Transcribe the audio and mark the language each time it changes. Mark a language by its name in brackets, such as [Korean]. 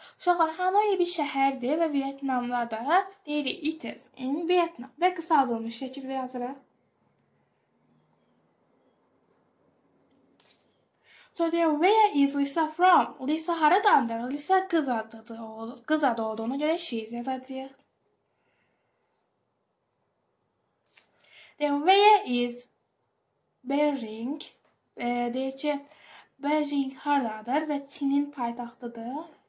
[Azerbaijani] Uşaqlar, Hanoi bir şəhərdir və Vietnamda da deyir, [English] it is in Vietnam. [Azerbaijani] Və qısaldılmış şəkildə yazıraq. [English] So there, where is Lisa from? [Azerbaijani] Lisa haradandır? Lisa qız adıdır, qız adı olduğuna görə she is yazacaq. [English] Then, where is Beijing? [Azerbaijani] Deyir ki, Beijing haradadır və Çinin paytaxtıdır.